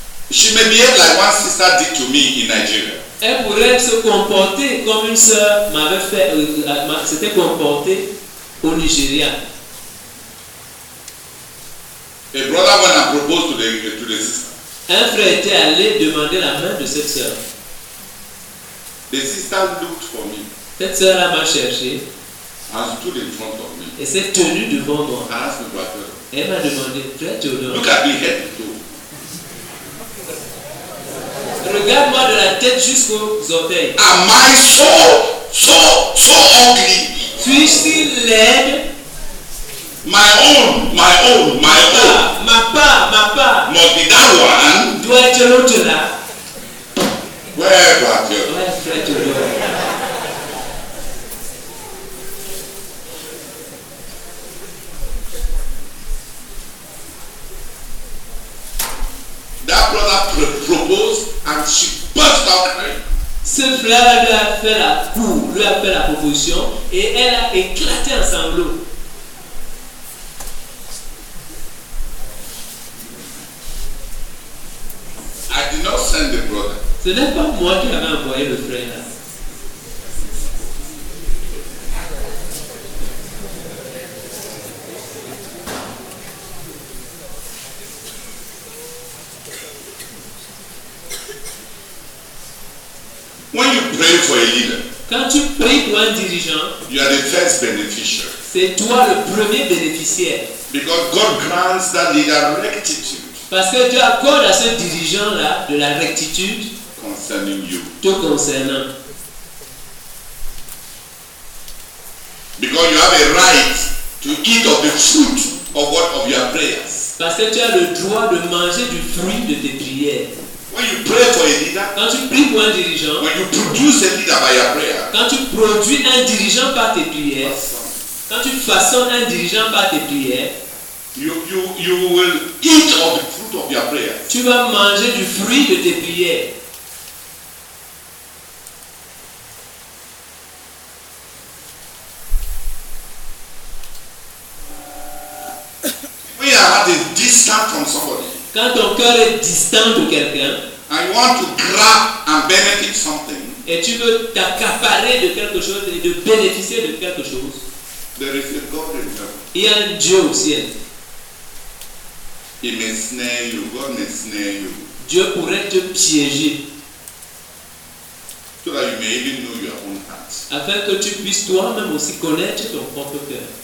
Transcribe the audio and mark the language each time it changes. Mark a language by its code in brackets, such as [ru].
[en] She may behave like one sister did to me in Nigeria. [fr] Elle pourrait se comporter comme une sœur m'avait fait, s'était comportée au Nigeria. [en] A brother went and proposed to the sister. [fr] Un frère était allé demander la main de cette sœur. [en] The sister looked for me. [fr] Cette sœur-là m'a cherché. [en] And stood in front of me. [fr] Et s'est tenue devant moi. [en] And asked me what. [fr] Elle m'a demandé, frère Théodore. [en] Look at me head to toe. [fr] Regarde-moi de la tête jusqu'aux orteils. [en] Am I so ugly? [fr] Suis-je si laid? [en] My own. [fr] Ma part. [en] Must be that one. [fr] Doit être l'autre là. [en] Where are you? [fr] Ouais, frère Théodore. [en] That brother proposed and she burst out crying. [fr] Ce frère lui a fait la cour, lui a fait la proposition et elle a éclaté en sanglots. [en] I did not send the brother. [fr] Ce n'est pas moi qui avais envoyé le frère là. [en] When you pray for a leader, [fr] quand tu pries pour un dirigeant, [en] you are the first beneficiary. [fr] C'est toi le premier bénéficiaire. [en] Because God grants that leader rectitude. [fr] Parce que Dieu accorde à ce dirigeant-là de la rectitude [en] concerning you. [fr] Te concernant. [en] Because you have a right to eat of the fruit of what of your prayers. [fr] Parce que tu as le droit de manger du fruit de tes prières. [en] When you pray for a leader, [fr] quand tu pries pour un dirigeant, [en] when you produce a leader by your prayer, [fr] quand tu produis un dirigeant par tes prières, quand tu façonnes un dirigeant par tes prières, [en] you will eat of the fruit of your prayer. [fr] Tu vas manger du fruit de tes prières. [en] When you have a distance from somebody, [fr] quand ton cœur est distant de quelqu'un. [en] And you want to grab and benefit something. [fr] Et tu veux t'accaparer de quelque chose et de bénéficier de quelque chose. [en] There is a God in heaven. [fr] Il y a un Dieu au ciel. [en] He may snare you. God may snare you. [fr] Dieu pourrait te piéger. [en] So that you may even know your own heart. [fr] Afin que tu puisses toi-même aussi connaître ton propre cœur.